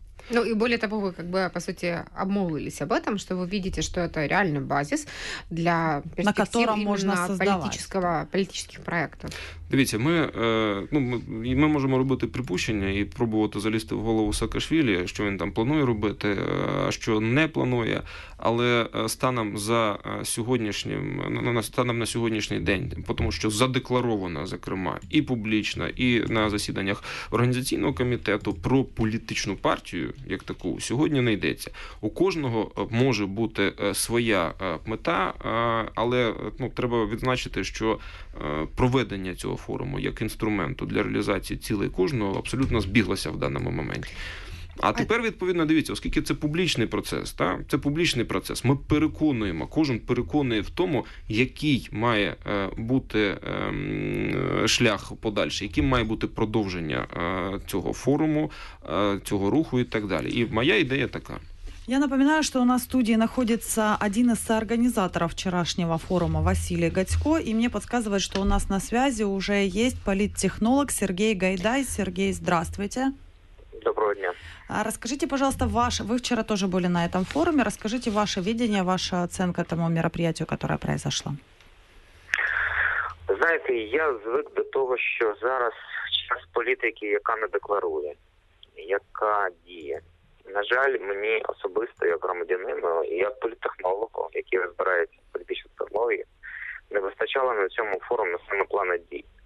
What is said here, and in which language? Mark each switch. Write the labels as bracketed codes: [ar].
[ru] Ну и более того, вы как бы, по сути, обмолвились об этом, что вы видите, что это реальный базис для перспектив, на котором можно создавать политического, политических проектов. [uk] Дивіться, ми можемо робити припущення і пробувати залізти в голову Саакашвілі, що він там планує робити, а що не планує, але станом за сьогоднішнім, станом на сьогоднішній день, тому що задекларовано, зокрема, і публічно, і на засіданнях організаційного комітету про політичну партію, як таку, сьогодні не йдеться. У кожного може бути своя мета, але треба відзначити, що проведення цього форуму як інструменту для реалізації цілей кожного абсолютно збіглося в даному моменті. А тепер, відповідно, дивіться, оскільки це публічний процес, та? Це публічний процес, ми переконуємо, кожен переконує в тому, який має бути шлях подальший, яким має бути продовження цього форуму, цього руху і так далі. І моя ідея така. [ru] Я напоминаю, что у нас в студии находится один из соорганизаторов вчерашнего форума, Василий Гатько, и мне подсказывает, что у нас на связи уже есть политтехнолог Сергей Гайдай. Сергей, здравствуйте. Доброго дня. Расскажите, пожалуйста, вы вчера тоже были на этом форуме, расскажите ваше видение, ваша оценка тому мероприятию, которое произошло. [uk] Знаете, я звик до того, что зараз час политики, яка не декларує, яка діє. На жаль, мені особисто, як громадянину, і як політтехнологу, який розбирається в політичній технології, не вистачало на цьому форумі саме плану дій.